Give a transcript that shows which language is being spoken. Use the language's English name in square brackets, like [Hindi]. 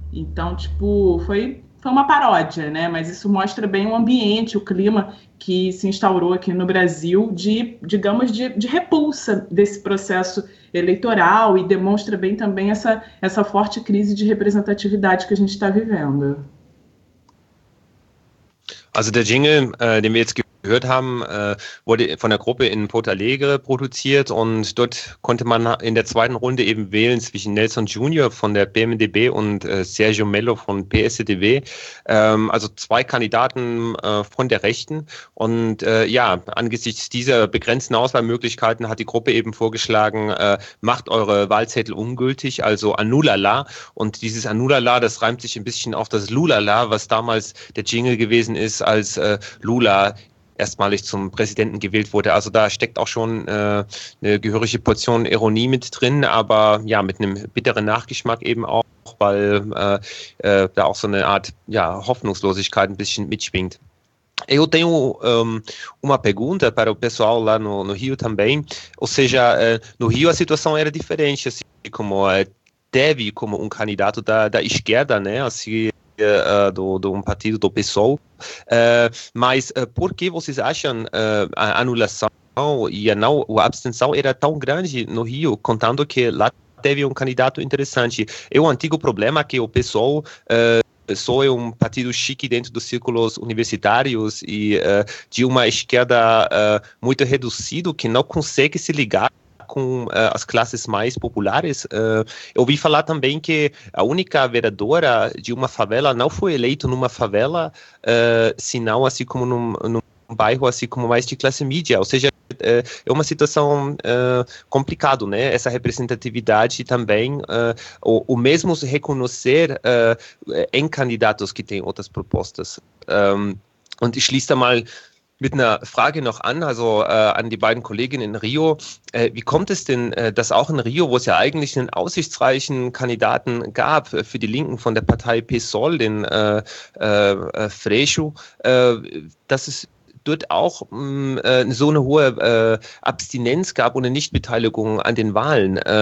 [Portuguese] Então, tipo, foi uma paródia, né? Mas isso mostra bem o ambiente, o clima que se instaurou aqui no Brasil de, digamos, de repulsa desse processo eleitoral e demonstra bem também essa forte crise de representatividade que a gente está vivendo. [German] Also der Jingle, den wir jetzt gehört haben, wurde von der Gruppe in Porto Alegre produziert und dort konnte man in der zweiten Runde eben wählen zwischen Nelson Junior von der PMDB und Sergio Melo von PSDB. Also zwei Kandidaten von der Rechten. Und ja, angesichts dieser begrenzten Auswahlmöglichkeiten hat die Gruppe eben vorgeschlagen, macht eure Wahlzettel ungültig, also Anulala. Und dieses Anulala, das reimt sich ein bisschen auf das Lulala, was damals der Jingle gewesen ist, als Lula erstmalig zum Präsidenten gewählt wurde. Also da steckt auch schon eine gehörige Portion Ironie mit drin, aber ja, mit einem bitteren Nachgeschmack eben auch, weil da auch so eine Art ja, Hoffnungslosigkeit ein bisschen mitschwingt. [Portuguese] Eu tenho uma pergunta para o pessoal lá no Rio também. Ou seja, no Rio a situação era diferente, assim como teve como candidato da esquerda, né? Assim, de um partido do PSOL. Mas por que vocês acham a anulação e a abstenção era tão grande no Rio, contando que lá teve candidato interessante? É um antigo problema que o PSOL só é um partido chique dentro dos círculos universitários e de uma esquerda muito reduzida que não consegue se ligar com as classes mais populares. Eu ouvi falar também que a única vereadora de uma favela não foi eleita numa favela, senão assim como num bairro assim como mais de classe média. Ou seja, é uma situação complicada, né? Essa representatividade também, o mesmo se reconhecer em candidatos que têm outras propostas. [German] Und ich schließe da mal mit einer Frage noch an, also an die beiden Kolleginnen in Rio. Wie kommt es denn, dass auch in Rio, wo es ja eigentlich einen aussichtsreichen Kandidaten gab für die Linken von der Partei PSOL, den Freixo, dass es dort auch so eine hohe Abstinenz gab und eine Nichtbeteiligung an den Wahlen?